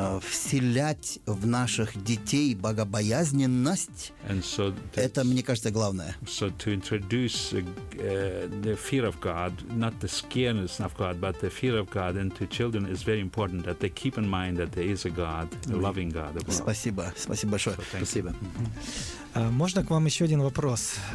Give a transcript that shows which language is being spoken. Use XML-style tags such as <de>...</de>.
<ru>вселять в наших детей богобоязненность,</ru> <en>and so</en> <ru>это, мне кажется, главное.</ru> <en>So to introduce the fear of God, not the scariness of God, but the fear of God into children is very important, that they keep in mind that there is a God, a loving God above.</en> <ru>Спасибо. Спасибо большое. So</ru> <en>thank</en> <ru>спасибо. Можно к вам еще один вопрос?</ru>